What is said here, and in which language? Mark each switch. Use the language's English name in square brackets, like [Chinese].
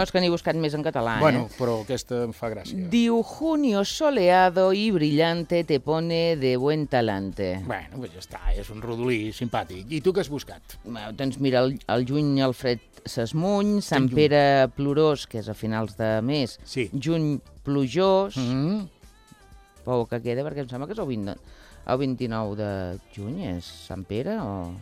[Catalan] No, és que n'he buscat més en català, Bueno, però aquesta em fa gràcia. [Spanish] Diu, junio soleado y brillante te pone de buen talante. [Catalan] Bueno, pues ja està, és un rodolí simpàtic. I tu què has buscat? Bueno, doncs mira, el juny el fred s'esmuny, Sant Pere plorós, que és a finals de mes, sí. Juny plujós... Mm-hmm. Pau que queda, perquè em sembla que és el 29 de juny, és Sant Pere, o...